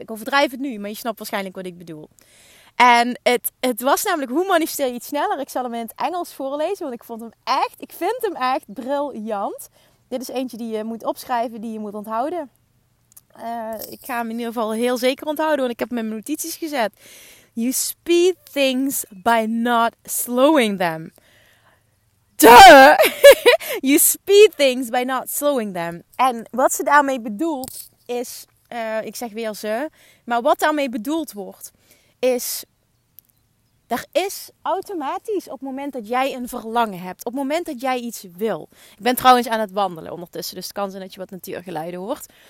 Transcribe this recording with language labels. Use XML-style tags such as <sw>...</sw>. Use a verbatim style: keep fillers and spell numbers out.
<nl>Ik overdrijf het nu, maar je snapt waarschijnlijk wat ik bedoel. En het, het was namelijk, hoe manifesteer je iets sneller? Ik zal hem in het Engels voorlezen, want ik vond hem echt, ik vind hem echt briljant. Dit is eentje die je moet opschrijven, die je moet onthouden. Uh, ik ga hem in ieder geval heel zeker onthouden, want ik heb hem in mijn notities gezet.</nl> <en>You speed things by not slowing them. Duh! You speed things by not slowing them.</en> <nl>En wat ze daarmee bedoelt is, uh, ik zeg weer ze, maar wat daarmee bedoeld wordt... is, er is automatisch op het moment dat jij een verlangen hebt, op het moment dat jij iets wil. Ik ben trouwens aan het wandelen ondertussen, dus het kan zijn dat je wat natuurgeluiden hoort.</nl>